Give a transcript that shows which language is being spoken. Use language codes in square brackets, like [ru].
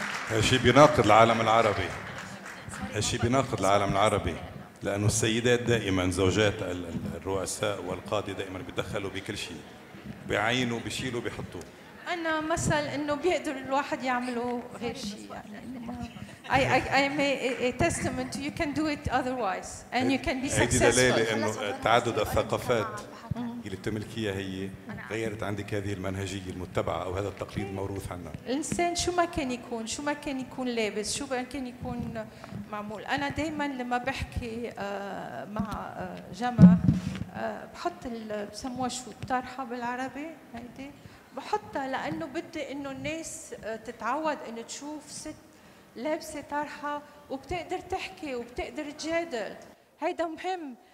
[ar] هالشي بيناقض العالم العربي، هالشي بيناقض العالم العربي، لأنه السيدات دائما زوجات الرؤساء والقادة دائما بيتدخلوا بكل شيء، بيعينوا بيشيلوا بيحطوا. أنا مثل إنه بيقدر الواحد يعملوا غير شيء، يعني [en] I make a testament to you can do it otherwise and you can be successful. [ar] هذه دلالة إنه تعدد الثقافات اللي بتملكيها هي غيرت عندك هذه المنهجية المتبعة أو هذا التقليد الموروث عنا. الإنسان شو ما كان يكون، شو ما كان يكون لابس، شو ما كان يكون معمول، أنا دايماً لما بحكي مع جمع بحط بسموها شو الطرحة بالعربي هيدي، بحطها لأنه بدي إنه الناس تتعود إنه تشوف ست لابسة طرحة وبتقدر تحكي وبتقدر تجادل، هيدا مهم.